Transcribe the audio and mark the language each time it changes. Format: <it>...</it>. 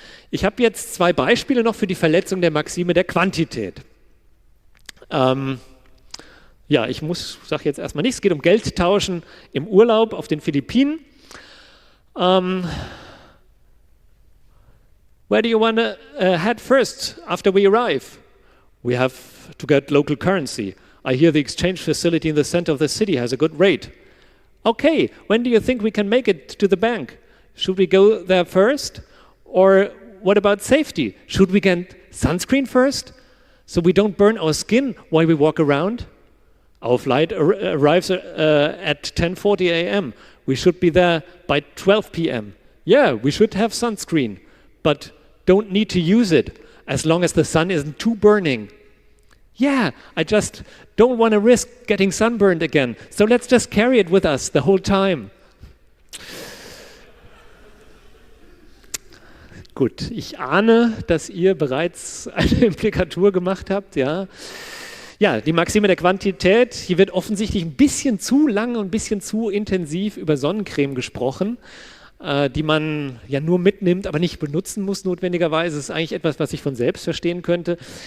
<de>Ich habe jetzt zwei Beispiele noch für die Verletzung der Maxime der Quantität. Ja, ich muss, sag jetzt erstmal nichts, es geht um Geldtauschen im Urlaub auf den Philippinen.</de> <en>Where do you want to head first after we arrive? We have to get local currency. I hear the exchange facility in the center of the city has a good rate. Okay, when do you think we can make it to the bank? Should we go there first? Or what about safety? Should we get sunscreen first so we don't burn our skin while we walk around? Our flight arrives at 10:40 a.m. We should be there by 12 p.m. Yeah, we should have sunscreen, but don't need to use it as long as the sun isn't too burning. Yeah, I just don't want to risk getting sunburned again, so let's just carry it with us the whole time.</en> <de>Gut, ich ahne, dass ihr bereits eine Implikatur gemacht habt, ja. Ja, die Maxime der Quantität, hier wird offensichtlich ein bisschen zu lange und ein bisschen zu intensiv über Sonnencreme gesprochen, die man ja nur mitnimmt, aber nicht benutzen muss notwendigerweise. Das ist eigentlich etwas, was ich von selbst verstehen könnte.</de>